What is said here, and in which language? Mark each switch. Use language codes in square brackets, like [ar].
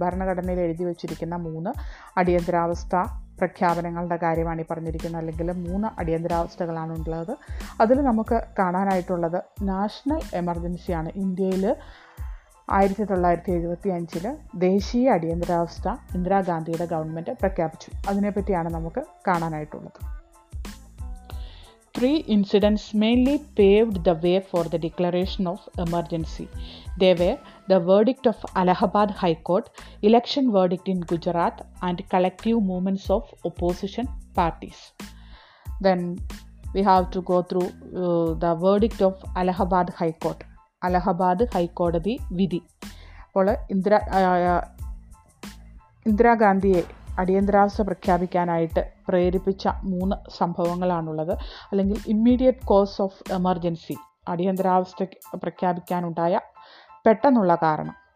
[ml] ഭരണഘടനയിൽ എഴുതി വച്ചിരിക്കുന്ന മൂന്ന് അടിയന്തരാവസ്ഥ പ്രഖ്യാപനങ്ങളുടെ കാര്യമാണ് ഈ പറഞ്ഞിരിക്കുന്നത്, അല്ലെങ്കിൽ മൂന്ന് അടിയന്തരാവസ്ഥകളാണ് ഉള്ളത്. അതിൽ നമുക്ക് കാണാനായിട്ടുള്ളത് നാഷണൽ എമർജൻസിയാണ്. ഇന്ത്യയിൽ 1975 ദേശീയ അടിയന്തരാവസ്ഥ ഇന്ദിരാഗാന്ധിയുടെ ഗവൺമെൻറ് പ്രഖ്യാപിച്ചു. അതിനെപ്പറ്റിയാണ് നമുക്ക് കാണാനായിട്ടുള്ളത്. [en] 3 incidents mainly paved the way for the declaration of emergency. They were the verdict of Allahabad High Court, election verdict in Gujarat, and collective movements of opposition parties. Then we have to go through the verdict of Allahabad High Court. Allahabad High Court the [ml] vidhi pole Indira Gandhi അടിയന്തരാവസ്ഥ പ്രഖ്യാപിക്കാനായിട്ട് പ്രേരിപ്പിച്ച മൂന്ന് സംഭവങ്ങളാണുള്ളത്, അല്ലെങ്കിൽ [en] Immediate cause of emergency. [ml] അടിയന്തരാവസ്ഥ പ്രഖ്യാപിക്കാനുണ്ടായ പെട്ടെന്നുള്ള കാരണം.